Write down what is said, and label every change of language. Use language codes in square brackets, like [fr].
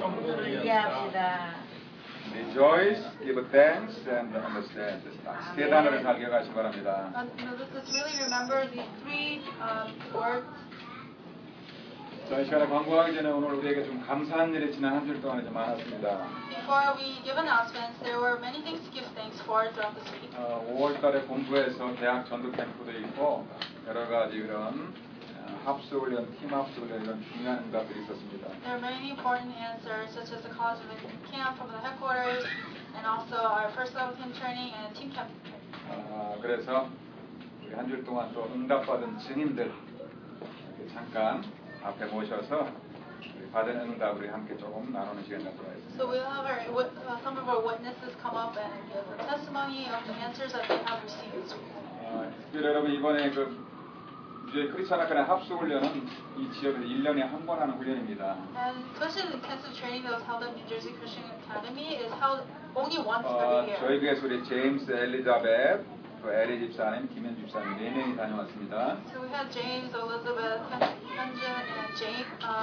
[ko] 성도를 이해합시다. [en] Rejoice, give thanks, and understand. [ko] 세 단어를 간격하시기 바랍니다. [en] Let's really remember these three words. [ko] 자, 이 시간에 광고하기 전에 오늘 우리에게 좀 감사한 일이 지난 한 주일 동안에 좀 많았습니다. [en] Before we give announcements, there were many things to give thanks for throughout this week. [ko] 5월 달에 본부에서 대학 전도 캠프도 있고 여러 가지 이런 합숙 훈련, 팀 합숙 훈련 이런 중요한 응답들이 있었습니다. [en] There are many important answers such as the college of camp from the headquarters and also our first level team training and team camp. [ko] 그래서 우리 한 주일 동안 또 응답받은 증인들 잠깐 앞에 모셔서 우리 받은 응답 우리 함께 조금 나누는 시간 갖도록 하겠습니다. [en] So we'll have some of our witnesses come up and give a testimony of the answers that they have received. [ko] 여러분 이번에 그 이제 크리스천 학교의 합숙 훈련은 이 지역에서 1년에 한 번 하는 훈련입니다. [en] And especially the intensive training that was held at New Jersey Christian Academy is held only once every year. [ko] 저희 교회에서 우리 제임스, 엘리자벳 또 에리 집사님, 김현 집사님 네 명이 다녀왔습니다. [en] So we had James, Elizabeth, Hyunjin, and James.